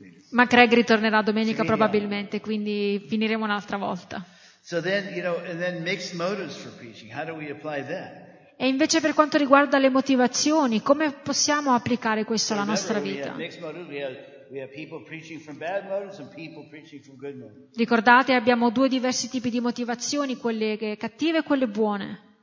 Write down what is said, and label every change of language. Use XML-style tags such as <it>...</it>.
<it>Ma Craig ritornerà domenica probabilmente, quindi finiremo un'altra volta. E invece, per quanto riguarda le motivazioni, come possiamo applicare questo alla nostra vita?</it> <en>We have people preaching from bad motives and people preaching from good motives.</en> <it>Ricordate, abbiamo due diversi tipi di motivazioni, quelle cattive e quelle buone.</it>